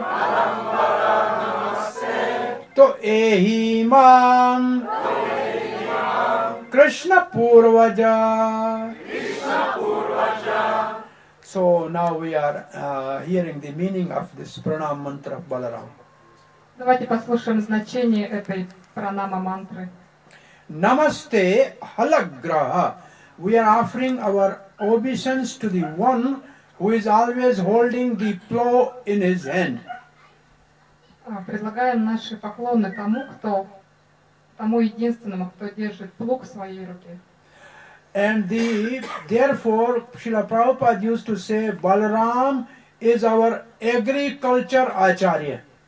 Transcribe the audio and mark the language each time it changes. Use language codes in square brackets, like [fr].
[sa] Palambara Namaste. To Ehi Maam. Krishna Purvaja. Krishna Purvaja. [en] So now we are hearing the meaning of this pranam mantra of Balaram. [ru] Давайте послушаем значение этой пранама мантры. [sa] Namaste Halagraha. [en] We are offering our obeisance to the one who is always holding the plow in his hand. [ru] Предлагаем наши поклоны тому, кто тому единственному, кто держит плуг в своей руке. [en] And the, therefore, Srila Prabhupada used to say, Balaram is our agriculture acharya.